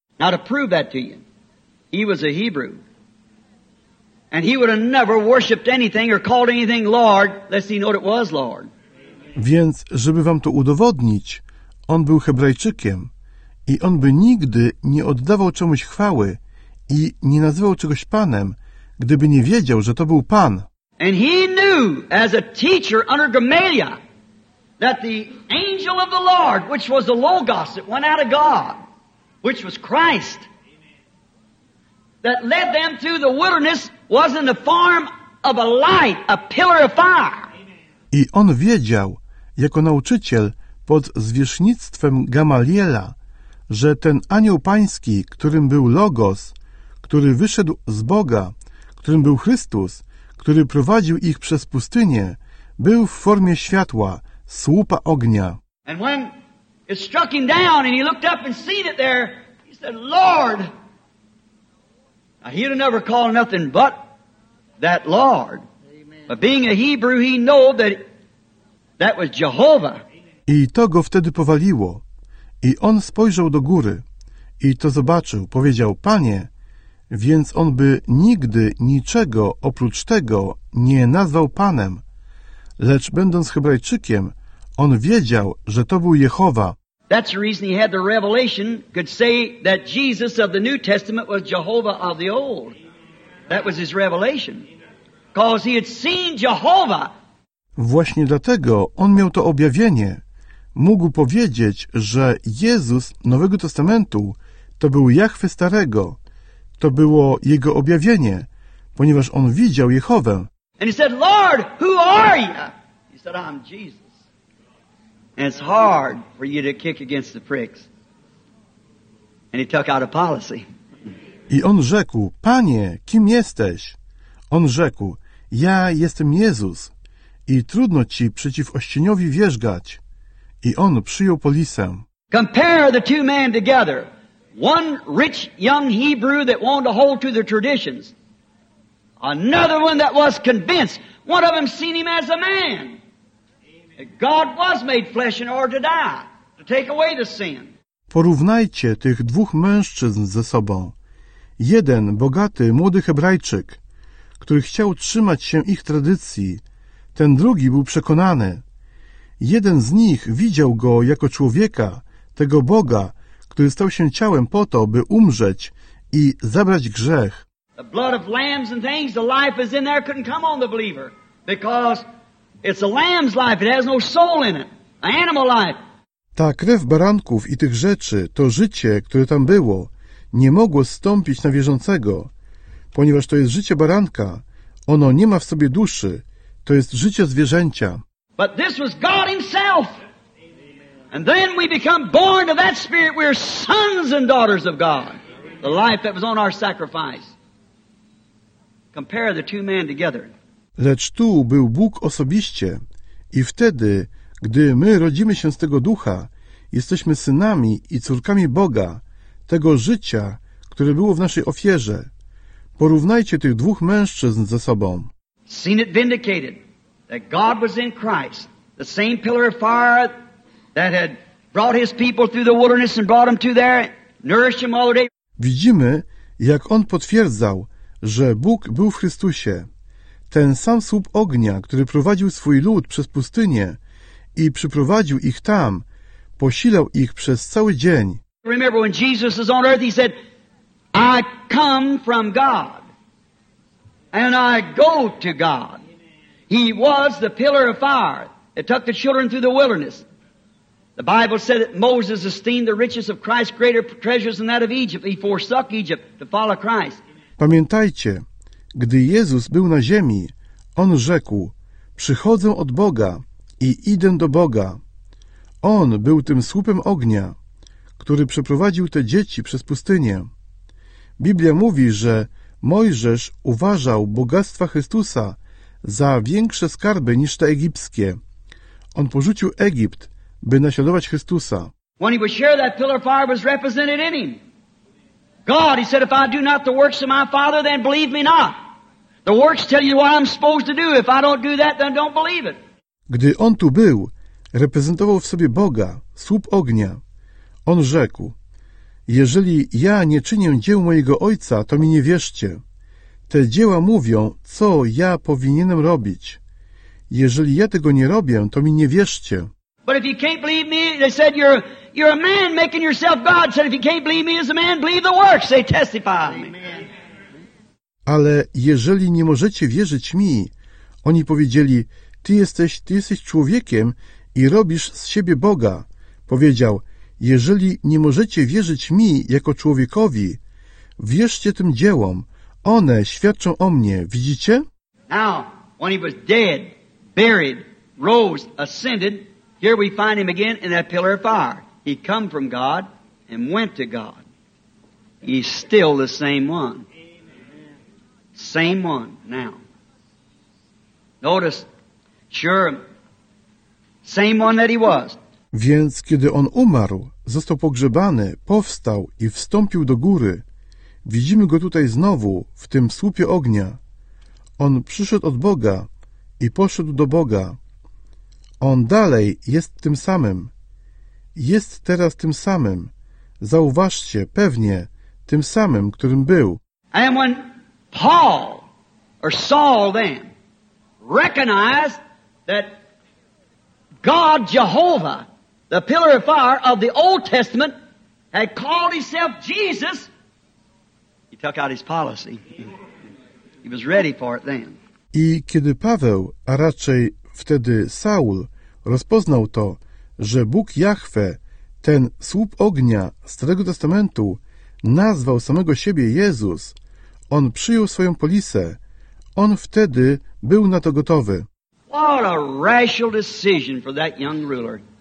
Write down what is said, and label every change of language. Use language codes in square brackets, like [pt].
[en] Now to prove that to you, he was a Hebrew. And he would have never worshipped anything or called anything Lord, lest he know it was Lord. [pl] Więc, żeby wam to udowodnić, on był Hebrajczykiem i on by nigdy nie oddawał czemuś chwały i nie nazywał czegoś Panem, gdyby nie wiedział, że to był Pan. [en] And he knew, as a teacher under Gamaliel, that the angel of the Lord, which was the Logos that went out of God, which was Christ, that led them through the wilderness, was in the form of a light, a pillar of fire. [pl] I on wiedział, jako nauczyciel pod zwierzchnictwem Gamaliela, że ten anioł pański, którym był Logos, który wyszedł z Boga, którym był Chrystus, który prowadził ich przez pustynię, był w formie światła, słupa ognia. [en] And when it struck him down and he looked up and seen it there, he said, Lord, now he'd never call nothing but that Lord. But being a Hebrew, he knew that was Jehovah. [pl] I to go wtedy powaliło. I on spojrzał do góry i to zobaczył. Powiedział, Panie, więc on by nigdy niczego oprócz tego nie nazwał Panem. Lecz będąc Hebrajczykiem, on wiedział, że to był Jehowa. [en] That's the reason he had the revelation, could say that Jesus of the New Testament was Jehovah of the Old. That was his revelation. Because he had seen Jehovah. [pl] Właśnie dlatego on miał to objawienie. Mógł powiedzieć, że Jezus Nowego Testamentu to był Jahwe Starego. To było jego objawienie, ponieważ on widział Jehowę. [en] And he said, Lord, who are you? He said, I'm Jesus. And it's hard for you to kick against the pricks. And he took out a policy. [pl] I on rzekł, Panie, kim jesteś? On rzekł, ja jestem Jezus. I trudno ci przeciw ościeniowi wierzgać. I on przyjął polisę. [en] Compare the two men together. One rich young Hebrew that wanted to hold to their traditions. Another one that was convinced. One of them seen him as a man. God was made flesh in order to die, to take away the sin. [pl] Porównajcie tych dwóch mężczyzn ze sobą. Jeden, bogaty, młody Hebrajczyk, który chciał trzymać się ich tradycji. Ten drugi był przekonany. Jeden z nich widział go jako człowieka, tego Boga, który stał się ciałem po to, by umrzeć i zabrać grzech. [en] The blood of lambs and things, the life is in there, couldn't come on the believer. Because it's a lamb's life, it has no soul in it. Animal life. [pl] Ta krew baranków i tych rzeczy, to życie, które tam było, nie mogło zstąpić na wierzącego. Ponieważ to jest życie baranka, ono nie ma w sobie duszy, to jest życie zwierzęcia. [en] But this was God himself. And then we become born of that spirit, we're sons and daughters of God. The life that was on our sacrifice. Compare the two men together. [pl] Lecz tu był Bóg osobiście i wtedy, gdy my rodzimy się z tego ducha, jesteśmy synami i córkami Boga, tego życia, które było w naszej ofierze. Porównajcie tych dwóch mężczyzn ze sobą. [en] Seen it vindicated that God was in Christ, the same pillar of fire that had brought his people through the wilderness and brought them to there, nourished them all the day. [pl] Widzimy, jak on potwierdzał, że Bóg był w Chrystusie. Ten sam słup ognia, który prowadził swój lud przez pustynię i przyprowadził ich tam, posilał ich przez cały dzień. [en] Remember when Jesus was on earth, he said, I come from God and I go to God. He was the pillar of fire that took the children through the wilderness. The Bible said that Moses esteemed the riches of Christ greater treasures than that of Egypt. He forsook Egypt to follow Christ. [pl] Pamiętajcie, gdy Jezus był na ziemi, on rzekł, przychodzę od Boga i idę do Boga. On był tym słupem ognia, który przeprowadził te dzieci przez pustynię. Biblia mówi, że Mojżesz uważał bogactwa Chrystusa za większe skarby niż te egipskie. On porzucił Egipt, by naśladować Chrystusa. [en] When he was sure that pillar of fire was represented in him. God, he said, if I do not the works of my Father, then believe me not. The works tell you what I'm supposed to do. If I don't do that, then don't believe it. [pl] Gdy on tu był, reprezentował w sobie Boga, słup ognia. On rzekł, jeżeli ja nie czynię dzieł mojego Ojca, to mi nie wierzcie. Te dzieła mówią, co ja powinienem robić. Jeżeli ja tego nie robię, to mi nie wierzcie. [en] But if you can't believe me, they said, you're a man making yourself God. Said, if you can't believe me as a man, believe the works. They testify on me. [pl] Ale jeżeli nie możecie wierzyć mi, oni powiedzieli, ty jesteś człowiekiem i robisz z siebie Boga. Powiedział, jeżeli nie możecie wierzyć mi jako człowiekowi, wierzcie tym dziełom. One świadczą o mnie. Widzicie? [en] Now, when he was dead, buried, rose, ascended, here we find him again in that pillar of fire. He come from God and went to God. He's still the same one. Amen. Same one now. Notice, sure, same one that he was. [pl] Więc kiedy on umarł, został pogrzebany, powstał i wstąpił do góry. Widzimy go tutaj znowu w tym słupie ognia. On przyszedł od Boga i poszedł do Boga. On dalej jest tym samym. Jest teraz tym samym. Zauważcie, pewnie, tym samym, którym był. [en] And when Paul, or Saul then, recognized that God, Jehovah, the pillar of fire of the Old Testament had called himself Jesus, he took out his policy. He was ready for it then. [pl] I kiedy Paweł, a raczej wtedy Saul, rozpoznał to, że Bóg Jahwe, ten słup ognia Starego Testamentu, nazwał samego siebie Jezus, on przyjął swoją polisę. On wtedy był na to gotowy. [en] What a rational decision for that young ruler.